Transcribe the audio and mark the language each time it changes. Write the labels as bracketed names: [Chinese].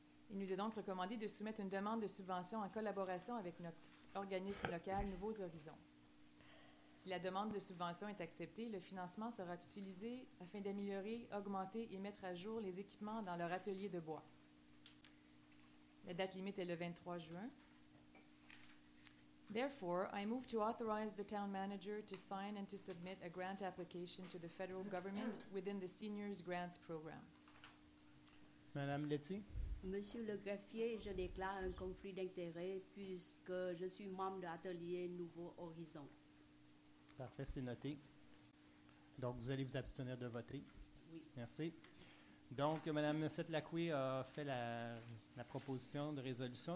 [French] Il nous est donc recommandé de soumettre une demande de subvention en collaboration avec notre organisme local Nouveaux Horizons. Si la demande de subvention est acceptée, le financement sera utilisé afin d'améliorer, augmenter et mettre à jour les équipements dans leur atelier de bois. La date limite est le 23 juin. [English] Therefore, I move to authorize the town manager to sign and to submit a grant application to the federal government within the seniors grants program. [French] Madame Letty. Monsieur le greffier, je déclare un conflit d'intérêts puisque je suis membre de l'atelier Nouveau Horizon. Parfait, c'est noté. Donc, vous allez vous abstenir de voter. Oui. Merci. Donc, Madame Sette Lacoué a fait la proposition de résolution.